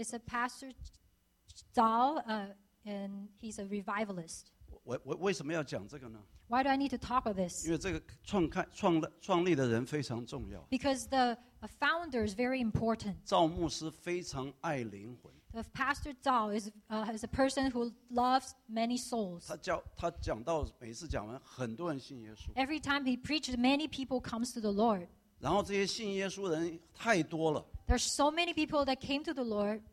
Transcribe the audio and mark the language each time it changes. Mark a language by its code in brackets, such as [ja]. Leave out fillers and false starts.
[en] It's a pastor Zhao, and he's a revivalist. [zh] 我为什么要讲这个呢？ [en] Why do I need to talk about this? [zh] 因为这个创立的人非常重要。 [en] Because the founder is very important. [zh] 赵牧师非常爱灵魂。 [en] The pastor Zhao is a person who loves many souls. [zh] 他讲到每次讲完，很多人信耶稣。 [en] Every time he preaches, many people comes to the Lord. [zh] 然后这些信耶稣人太多了。 [en] There's so many people that came to the Lord.